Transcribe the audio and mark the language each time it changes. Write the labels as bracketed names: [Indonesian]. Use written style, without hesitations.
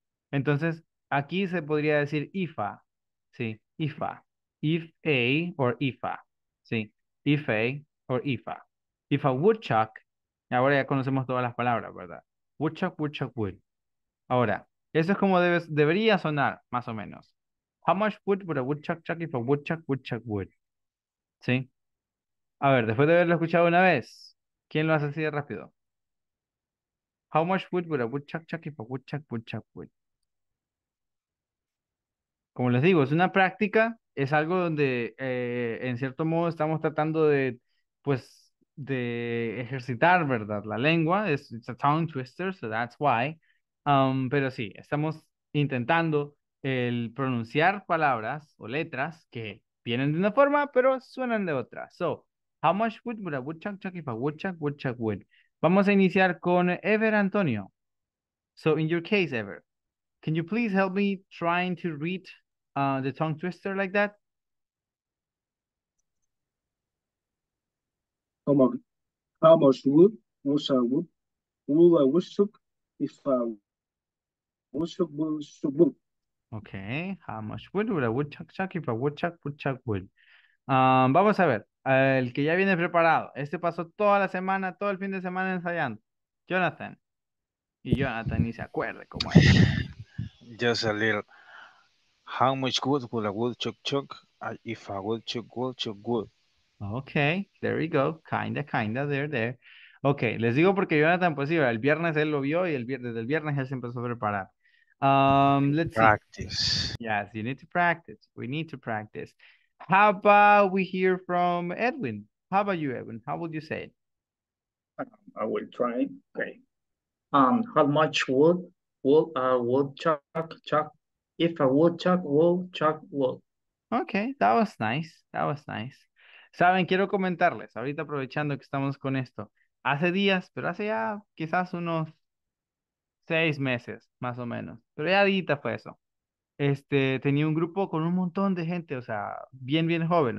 [Spanish] Entonces, aquí se podría decir if a, sí, if a, if a or if a, sí, if a or if a. [English] If a woodchuck, [Spanish] ahora ya conocemos todas las palabras, ¿verdad? Woodchuck, woodchuck, wood. Ahora, eso es como debería sonar, más o menos. [English] How much wood would a woodchuck chuck if a woodchuck woodchuck wood? [Spanish] ¿Sí? A ver, después de haberlo escuchado una vez, ¿quién lo hace así de rápido? [English] How much wood would a woodchuck chuck if a woodchuck woodchuck wood? [Spanish] Como les digo, es una práctica, es algo donde en cierto modo estamos tratando de, pues, de ejercitar, ¿verdad? La lengua, [English] it's a tongue twister, so that's why. [Spanish] Pero sí, estamos intentando el pronunciar palabras o letras que vienen de una forma, pero suenan de otra. [English] So, how much wood would a woodchuck chuck if a woodchuck woodchuck wood? [Spanish] Vamos a iniciar con Ever Antonio. [English] So, in your case, Ever, can you please help me trying to read the tongue twister like that? Come on. How much wood was a wood? Would a woodchuck if a okay, how much wood would a woodchuck chuck if a woodchuck woodchuck wood? [Spanish] Vamos a ver, el que ya viene preparado. Este pasó toda la semana, todo el fin de semana ensayando. Jonathan. Y Jonathan ni se acuerde cómo es. [English] Just a little. How much wood would a woodchuck chuck if a woodchuck woodchuck wood? Okay, there you go. Kinda, there, there. [Spanish] Okay, les digo porque Jonathan, pues sí, el viernes él lo vio y desde el viernes él se empezó a preparar. [English] Let's practice. See. Yes, you need to practice. We need to practice. How about we hear from Edwin? How about you, Edwin? How would you say it? I will try. Okay. How much wood would a woodchuck chuck if a woodchuck woodchuck wood? Okay, that was nice. That was nice. [Spanish] Saben, quiero comentarles, ahorita aprovechando que estamos con esto, hace días, pero hace ya quizás unos 6 meses, más o menos. Pero ya ahorita fue eso. Tenía un grupo con un montón de gente, o sea, bien, bien joven.